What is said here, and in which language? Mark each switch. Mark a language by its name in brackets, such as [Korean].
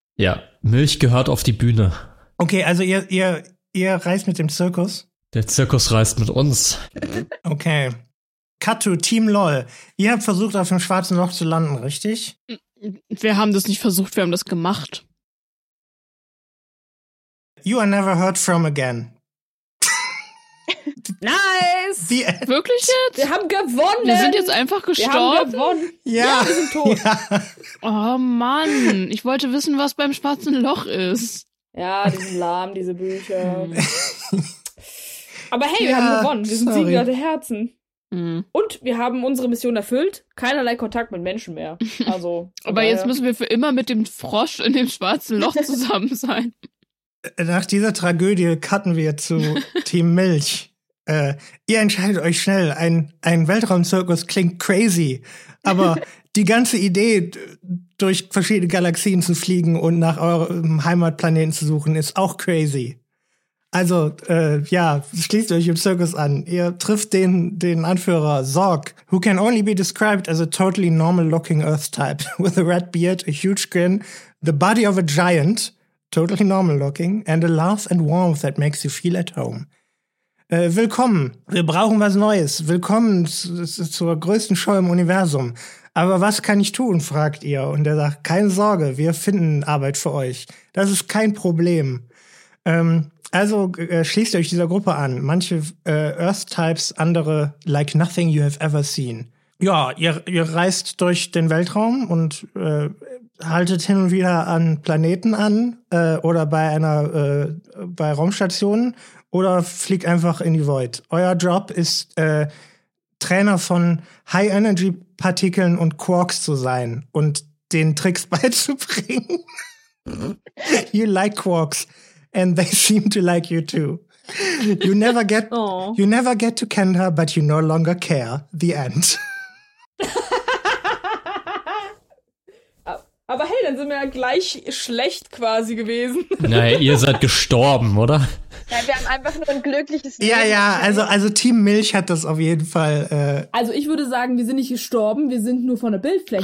[German] Ja, Milch gehört auf die Bühne. Okay, also ihr reist mit dem Zirkus? Der Zirkus reist mit uns. Okay. Katu, Team LOL, ihr habt versucht, auf dem schwarzen Loch zu landen, richtig? Wir haben das nicht versucht, wir haben das gemacht. [English] You are never heard from again. Nice! [German] Wirklich jetzt? Wir haben gewonnen! Wir sind jetzt einfach gestorben? Wir haben gewonnen! Ja, wir sind tot. Ja. Oh Mann, ich wollte wissen, was beim schwarzen Loch ist. Ja, die sind lahm, diese Bücher. Aber hey, wir haben gewonnen. Wir sind 7 Leute Herzen. Und wir haben unsere Mission erfüllt. Keinerlei Kontakt mit Menschen mehr. Also, aber jetzt müssen wir für immer mit dem Frosch in dem schwarzen Loch zusammen sein. Nach dieser Tragödie cutten wir zu Team Milch. Ihr entscheidet euch schnell. Ein Weltraumzirkus klingt crazy. Aber die ganze Idee, durch verschiedene Galaxien zu fliegen und nach eurem Heimatplaneten zu suchen, ist auch crazy. Also, schließt euch im Zirkus an. Ihr trifft den Anführer Zorg, [English] who can only be described as a totally normal-looking Earth-type, with a red beard, a huge grin, the body of a giant, totally normal-looking, and a laugh and warmth that makes you feel at home. [German] Willkommen, wir brauchen was Neues. Willkommen zur größten Show im Universum. Aber was kann ich tun, fragt ihr. Und er sagt, keine Sorge, wir finden Arbeit für euch. Das ist kein Problem. Also schließt euch dieser Gruppe an. Manche [English] Earth-Types, [German] andere [English] like nothing you have ever seen. [German] Ja, ihr reist durch den Weltraum und haltet hin und wieder an Planeten an oder bei Raumstationen oder fliegt einfach in die Void. Euer Job ist Trainer von High-Energy-Partikeln und Quarks zu sein und den Tricks beizubringen. [English] You like Quarks. And they seem to like you too. You never get to Kendra, but you no longer care. The end. [German] Aber hey, dann sind wir ja gleich schlecht quasi gewesen. Naja, ihr seid gestorben, oder? Ja, wir haben einfach nur ein glückliches Leben. Ja, ja, also Team Milch hat das auf jeden Fall. Also ich würde sagen, wir sind nicht gestorben, wir sind nur von der Bildfläche.